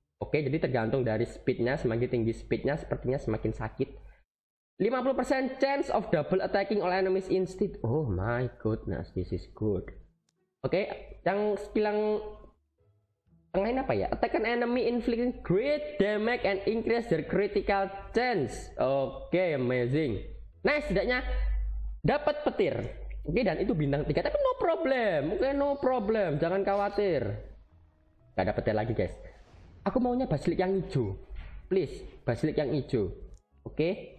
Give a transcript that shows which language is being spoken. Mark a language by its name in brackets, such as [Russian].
[Indonesian] Oke, okay, jadi tergantung dari speed-nya, semakin tinggi speed-nya sepertinya semakin sakit. [English] 50% chance of double attacking all enemies instead. Oh my goodness, this is good. [Indonesian] Oke, okay, yang skill yang tengahin apa ya? [English] Attack an enemy inflicting great damage and increase their critical chance. Oke, okay, amazing. [Indonesian] Nice, setidaknya dapat petir. Oke, okay, dan itu bintang 3. Tapi [English] no problem. Oke, okay, no problem. [Indonesian] Jangan khawatir. Gak ada petir lagi, guys. Aku maunya basilik yang hijau. Please, basilik yang hijau. Oke. Okay.